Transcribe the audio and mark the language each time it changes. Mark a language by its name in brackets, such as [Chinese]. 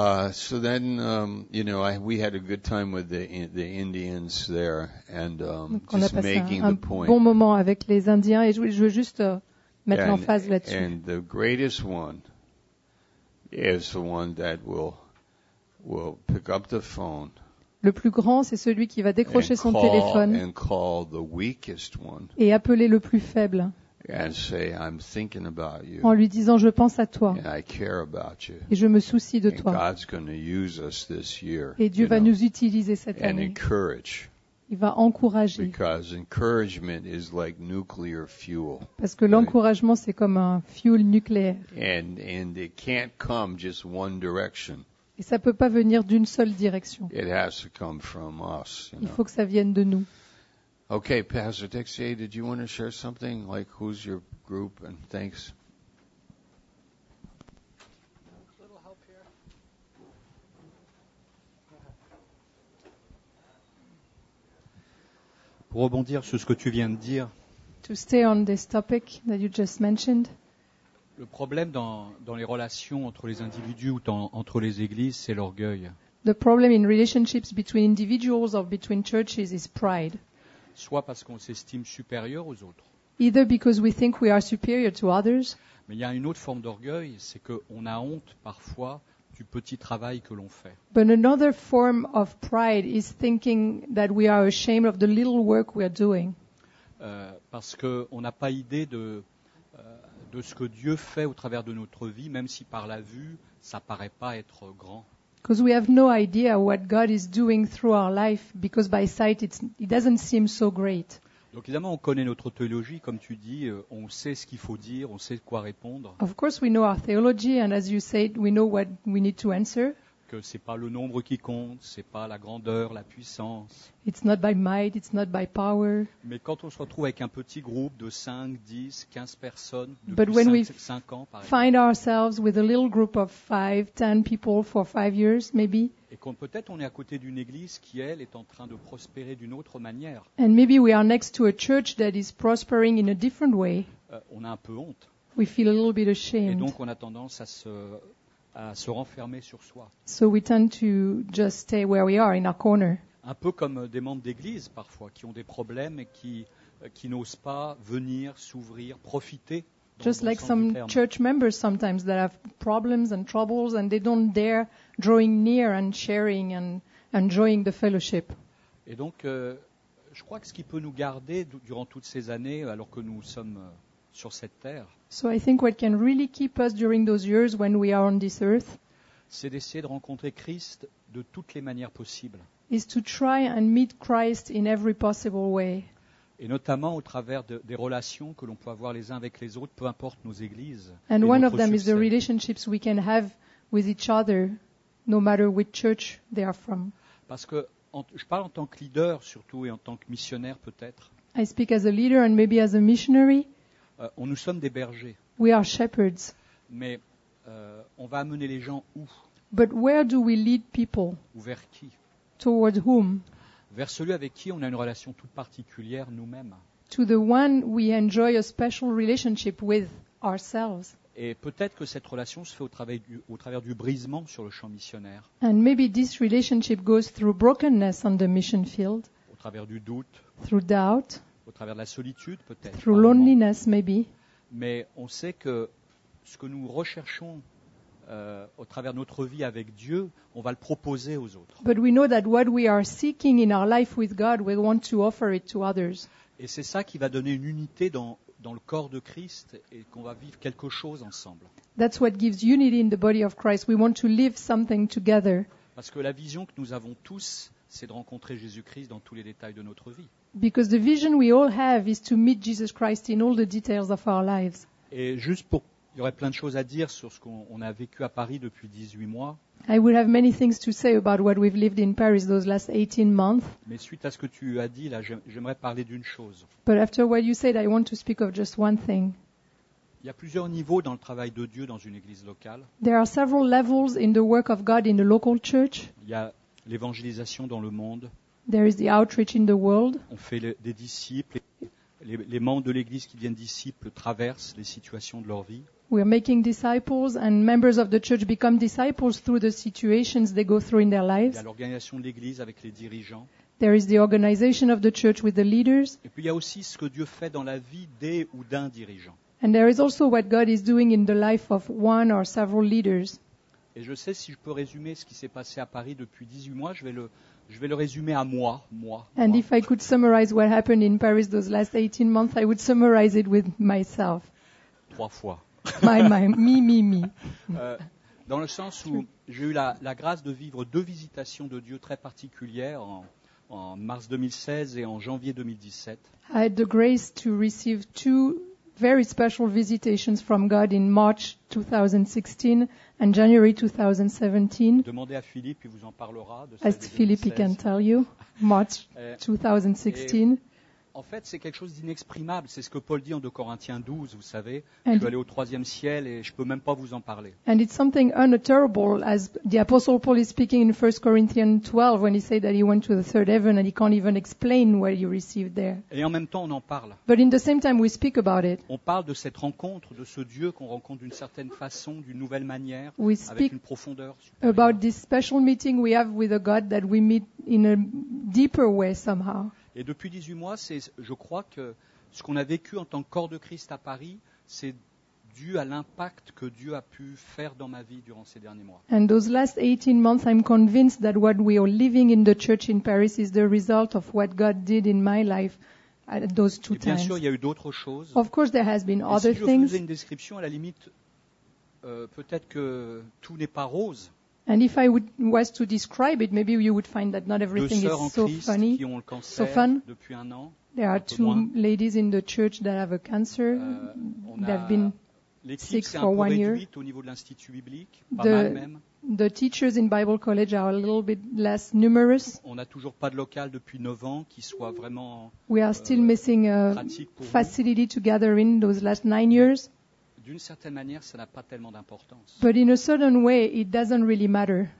[English] So then we had a good time with the Indians there and just making the point. [French] Bon moment avec les Indiens et je veux juste mettre en phase là-dessus. [English] And the greatest one is the one that will pick up the phone. [French] Le plus grand, c'est celui qui va décrocher son téléphone. [English] And call the weakest one. [French] Et appeler le plus faible. [English] And say, I'm thinking about you. [French] En lui disant, je pense à toi. [English] And I care about you. [French] Et je me soucie de toi. [English] God's gonna use us this year, [French] et Dieu va nous utiliser cette [English] and [French] année. [English] Encourage. [French] Il va encourager. [English] Because encouragement is like nuclear fuel, [French] parce que l'encouragement, c'est comme un fuel nucléaire. [English] And it can't come just one direction. [French] Et ça ne peut pas venir d'une seule direction. [English] It has to come from us, you know. [French] Il faut que ça vienne de nous. [English] Ok, Pastor Dixie, did you want to share something? Like, who's your group? And thanks. [French] Pour rebondir sur ce que tu viens de dire. [English] To stay on this topic that you just mentioned. [French] Le problème dans les relations entre les individus ou entre les églises, c'est l'orgueil. [English] The problem in relationships between individuals or between churches is pride. [French] Soit parce qu'on s'estime supérieur aux autres. [English] Either because we think we are superior to others. [French] Mais il y a une autre forme d'orgueil, c'est qu'on a honte parfois du petit travail que l'on fait. [English] But another form of pride is thinking that we are ashamed of the little work we are doing. [French] Parce qu'on n'a pas idée de ce que Dieu fait au travers de notre vie, même si par la vue, ça ne paraît pas être grand. [English] Because we have no idea what God is doing through our life, because by sight, it doesn't seem so great. [French] Donc évidemment, on connaît notre théologie, comme tu dis, on sait ce qu'il faut dire, on sait quoi répondre. [English] Of course, we know our theology, and as you said, we know what we need to answer. [French] Que c'est pas le nombre qui compte, c'est pas la grandeur, la puissance. [English] It's not by might, it's not by power. [French] Mais quand on se retrouve avec un petit groupe de 5, 10, 15 personnes depuis 5 ans, par exemple. [English] Find ourselves with a little group of 5, 10 people for 5 years, maybe. [French] Et quand peut-être on est à côté d'une église qui, elle, est en train de prospérer d'une autre manière. [English] And maybe we are next to a church that is prospering in a different way. [French] On a un peu honte. [English] We feel a little bit ashamed. [French] Et donc on a tendance à se renfermer sur soi. [English] So we tend to just stay where we are in our corner. [French] Un peu comme des membres d'église parfois qui ont des problèmes et qui n'osent pas venir s'ouvrir, profiter. [English] Just like some church members sometimes that have problems and troubles and they don't dare drawing near and sharing and enjoying the fellowship. [French] Et donc je crois que ce qui peut nous garder durant toutes ces années alors que nous sommes sur cette terre. [English] So I think what can really keep us during those years when we are on this earth, [French] c'est d'essayer de rencontrer Christ de toutes les manières possibles. [English] Is to try and meet Christ in every possible way. [French] Et notamment au travers des relations que l'on peut avoir les uns avec les autres, peu importe nos églises. [English] And one of them [French] succès. [English] Is the relationships we can have with each other, no matter which church they are from. [French] Parce que je parle en tant que leader surtout et en tant que missionnaire peut-être. [English] I speak as a leader and maybe as a missionary. [French] Nous sommes des bergers. [English] We are shepherds. [French] Mais on va amener les gens où? [English] But where do we lead people? [French] Ou vers qui? [English] Toward whom? [French] Vers celui avec qui on a une relation toute particulière nous-mêmes. [English] To the one we enjoy a special relationship with ourselves. [French] Et peut-être que cette relation se fait au travers du brisement sur le champ missionnaire. [English] And maybe this relationship goes through brokenness on the mission field. [French] Au travers du doute. [English] Through doubt. [French] Au travers de la solitude, peut-être. [English] Through loneliness, maybe. [French] Mais on sait que ce que nous recherchons au travers de notre vie avec Dieu, on va le proposer aux autres. [English] But we know that what we are seeking in our life with God, we want to offer it to others. [French] Et c'est ça qui va donner une unité dans le corps de Christ et qu'on va vivre quelque chose ensemble. [English] That's what gives unity in the body of Christ. We want to live something together. [French] Parce que la vision que nous avons tous, c'est de rencontrer Jésus-Christ dans tous les détails de notre vie. [English] Because the vision we all have is to meet Jesus Christ in all the details of our lives. [French] Et juste pour, il y aurait plein de choses à dire sur ce qu'on a vécu à Paris depuis 18 mois. [English] I would have many things to say about what we've lived in Paris those last 18 months. [French] Mais suite à ce que tu as dit là, j'aimerais parler d'une chose. [English] But after what you said, I want to speak of just one thing. [French] Il y a plusieurs niveaux dans le travail de Dieu dans une église locale. [English] There are several levels in the work of God in a local church. [French] Il y a l'évangélisation dans le monde. [English] There is the outreach in the world. [French] On fait des disciples. Les membres de l'église qui deviennent disciples traversent les situations de leur vie. [English] We are making disciples and members of the church become disciples through the situations they go through in their lives. [French] Il y a l'organisation de l'église avec les dirigeants. [English] There is the organization of the church with the leaders. [French] Et puis il y a aussi ce que Dieu fait dans la vie des ou d'un dirigeant. [English] And there is also what God is doing in the life of one or several leaders. [French] Et je sais si je peux résumer ce qui s'est passé à Paris depuis 18 mois, je vais le résumer à moi. [English] And [French] moi. [English] If I could summarize what happened in Paris those last 18 months, I would summarize it with myself. [French] Trois fois. [English] Me. [French] Dans le sens où j'ai eu la grâce de vivre deux visitations de Dieu très particulières en mars 2016 et en janvier 2017. [English] I had the grace to receive two very special visitations from God in March 2016 and January 2017. [French] Demandez à Philippe, il vous en parlera. [English] As Philippe can tell you, March 2016. [French] En fait, c'est quelque chose d'inexprimable. C'est ce que Paul dit en 2 Corinthiens 12, vous savez. Je vais aller au troisième ciel et je ne peux même pas vous en parler. [English] And it's something unutterable, as the Apostle Paul is speaking in 1 Corinthians 12 when he said that he went to the third heaven and he can't even explain what he received there. [French] Et en même temps, on en parle. [English] But in the same time, we speak about it. [French] On parle de cette rencontre, de ce Dieu qu'on rencontre d'une certaine façon, d'une nouvelle manière, avec une profondeur. [English] We speak about this special meeting we have with a God that we meet in a deeper way somehow. [French] Et depuis 18 mois, c'est, je crois que ce qu'on a vécu en tant que corps de Christ à Paris, c'est dû à l'impact que Dieu a pu faire dans ma vie durant ces derniers mois. [English] And those last 18 months, I'm convinced that what we are living in the church in Paris is the result of what God did in my life at those two times. [French] Et bien sûr, il y a eu d'autres choses. [English] Of course, there has been other things. [French] Et si je faisais une description, à la limite, peut-être que tout n'est pas rose. [English] And if I would, was to describe it, maybe you would find that not everything is so funny. [French] Deux sœurs en Christ qui ont le cancer depuis un an. [English] There are two ladies in the church that have a cancer. They've been sick for one year. [French] L'équipe s'est un peu réduite au niveau de l'Institut biblique, pas mal même. [English] The teachers in Bible College are a little bit less numerous. [French] On n'a toujours pas de local depuis 9 ans qui soit vraiment pratique pour nous. [English] We are still missing a facility to gather in those last 9 years. [French] D'une certaine manière, ça n'a pas tellement d'importance. [English] But in a certain way, it doesn't really matter.